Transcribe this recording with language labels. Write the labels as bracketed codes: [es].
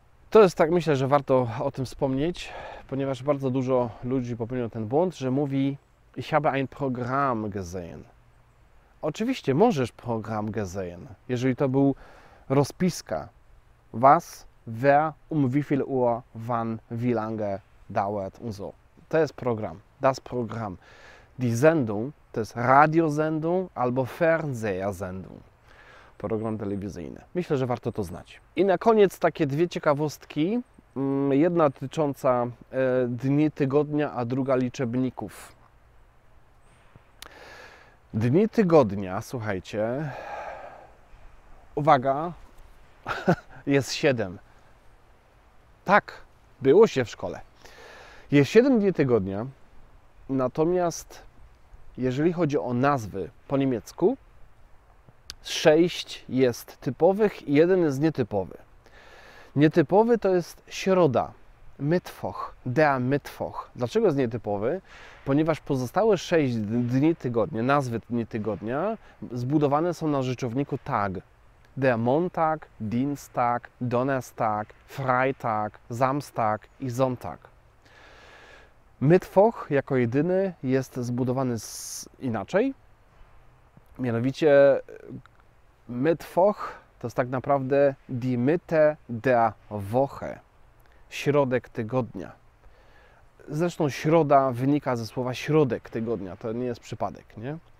[pl] To jest tak, myślę, że warto o tym wspomnieć, ponieważ bardzo dużo ludzi popełnia ten błąd, że mówi [de] ich habe ein Programm gesehen. [pl] Oczywiście możesz program gesehen, jeżeli to był rozpiska. [de] Was, wer, wie viel Uhr, wann, wie lange, dauert und so. [pl] To jest program, das Programm. Die Sendung, to jest Radiosendung albo Fernsehersendung. Program telewizyjny. Myślę, że warto to znać. I na koniec takie dwie ciekawostki. Jedna dotycząca dni tygodnia, a druga liczebników. Dni tygodnia, słuchajcie, uwaga, jest 7. Tak, było się w szkole. Jest 7 dni tygodnia, natomiast jeżeli chodzi o nazwy po niemiecku, 6 jest typowych i 1 jest nietypowy. Nietypowy to jest środa, Mittwoch, der Mittwoch. Dlaczego jest nietypowy? Ponieważ pozostałe 6 dni tygodnia, nazwy dni tygodnia, zbudowane są na rzeczowniku tag. [de] Der Montag, Dienstag, Donnerstag, Freitag, Samstag i Sonntag. [pl] Mittwoch jako jedyny jest zbudowany inaczej. Mianowicie Mittwoch to jest tak naprawdę [de] die Mitte der Woche. [pl] Środek tygodnia. Zresztą środa wynika ze słowa środek tygodnia, to nie jest przypadek, nie?